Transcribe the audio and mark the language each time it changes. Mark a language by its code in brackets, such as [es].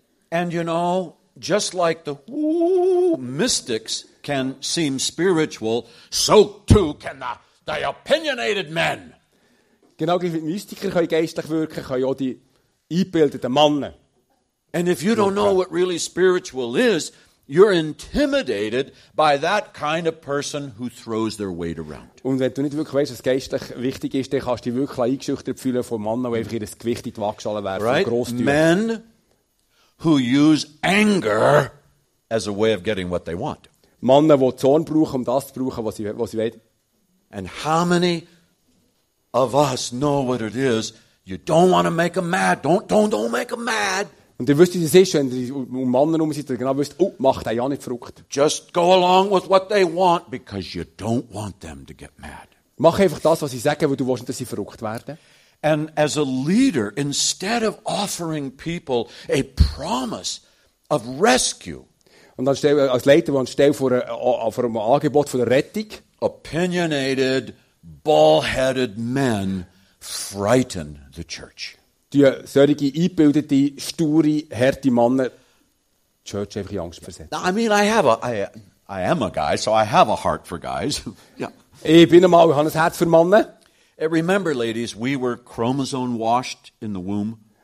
[en] And you know, just like the mystics can seem spiritual, so too can the opinionated men. [de] Genau wie die Mystiker können geistlich wirken, können auch die eingebildeten Männer. [en] And if you don't know what really spiritual is, you're intimidated by that kind of person who throws their weight around. [de] Und wenn du nicht wirklich weißt, was geistlich wichtig ist, dann kannst du dich wirklich eingeschüchtert fühlen von Männern, die einfach ihr Gewicht in die Waagschale werfen. [en] Right? Men who use anger as a way of getting what they want. [de] Männer, die Zorn brauchen, um das zu brauchen, was sie wollen. [en] And how many of us know what it is? You don't want to make them mad. Don't make them mad. [de] Und ihr wisst, wie es ist, wenn ihr um Männer herum seid, genau wisst, oh, macht euch ja nicht verrückt. [en] Just go along with what they want, because you don't want them to get mad. [de] Mach einfach das, was sie sagen, weil du willst, dass sie verrückt werden. [en] And as a leader, instead of offering people a promise of rescue, [de] und als Leiter, wir stellen vor einem Angebot von der Rettung, [en] opinionated, ball-headed men frighten the church. [de] Die solche eingebildete, sture, harte Männer die Church einfach in Angst versetzen. [en] I mean, I am a guy, so I have a heart for guys. [de] Ich bin ein Mann, ich habe ein Herz für Männer. [en] And remember, ladies, we were chromosome washed in the womb.